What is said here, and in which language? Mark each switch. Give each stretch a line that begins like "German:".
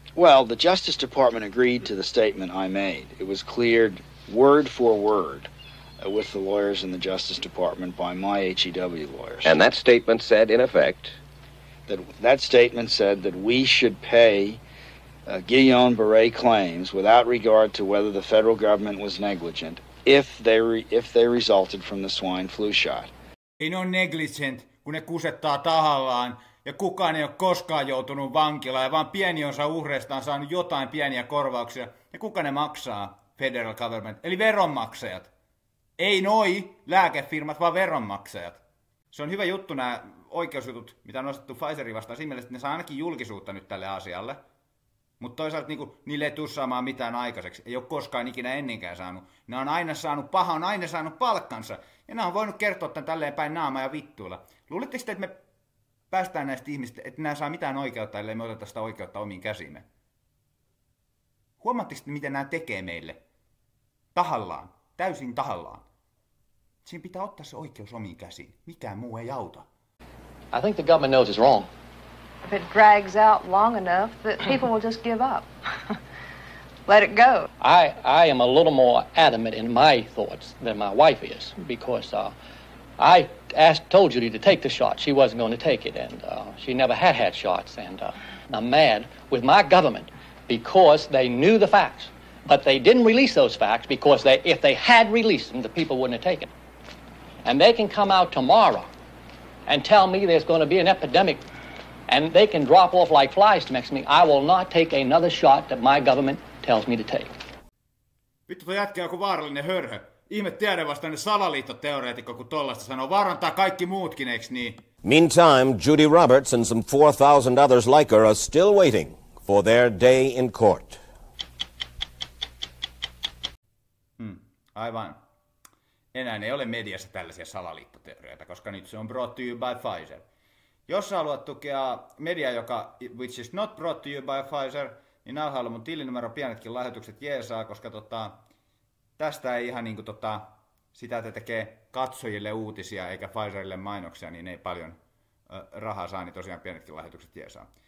English: Well, the Justice Department agreed to the statement I made. It was cleared word for word with the lawyers in the Justice Department by my HEW lawyers. And that statement said, in effect... That statement said that we should pay Guillain-Barré claims without regard to whether the federal government was negligent if they resulted from the swine flu shot.
Finnish: Ei ole
English: negligent,
Finnish: kun ne kusettaa tahallaan, ja kukaan ei ole koskaan joutunut vankilaan, ja vaan pieni osa uhreista on saanut jotain pieniä korvauksia. Ja kuka ne maksaa,
English: federal government,
Finnish: eli veronmaksajat? Ei noi lääkefirmat, vaan veronmaksajat. Se on hyvä juttu nämä oikeusjutut, mitä on nostettu Pfizerin vastaan, siinä mielessä, että ne saa ainakin julkisuutta nyt tälle asialle. Mutta toisaalta niin kuin, niille ei tule saamaan mitään aikaiseksi. Ei ole koskaan ikinä ennenkään saanut. Ne on aina saanut, paha on aina saanut palkkansa. Ja ne on voinut kertoa tämän tälleen päin naamaa ja vittuilla. Luuletteko te, että me päästään näistä ihmisistä, että nämä saa mitään oikeutta, ellei me oteta sitä oikeutta omiin käsimme? Huomaatteko te, mitä nämä tekee meille? Tahallaan. Täysin tahallaan. Siinä pitää ottaa se oikeus omiin käsiin. Mikään muu ei auta.
English: I think the government knows it's wrong. If it drags out long enough, that people will just give up. Let it go. I am a little more adamant in my thoughts than my wife is, because I told Judy to take the shot. She wasn't going to take it, and she never had shots. And I'm mad with my government because they knew the facts, but they didn't release those facts because if they had released them, the people wouldn't have taken it. And they can come out tomorrow and tell me there's going to be an epidemic, and they can drop off like flies to Mexico. I will not take another shot that my government tells me to take.
Finnish: Vittu, toi jätkä joku vaarallinen hörhö. Ihme tiede vastaan ne salaliittoteoreetikko, kun tollaista sanoo. Vaarantaa kaikki muutkin, eiks niin?
English: Meantime, Judy Roberts and some 4,000 others like her are still waiting for their day in court.
Finnish: Aivan. Enää ei ole mediassa tällaisia salaliittoteorioita, koska nyt se on
English: brought to you by Pfizer.
Finnish: Jos sä haluat tukea mediaa, joka,
English: which is not brought to you by Pfizer,
Finnish: niin alhaalla mun tilinumero pienetkin lahjoitukset jeesaa, koska tästä ei ihan niin kuin sitä, että tekee katsojille uutisia eikä Pfizerille mainoksia, niin ei paljon rahaa saa, niin tosiaan pienetkin lahjoitukset jeesaa.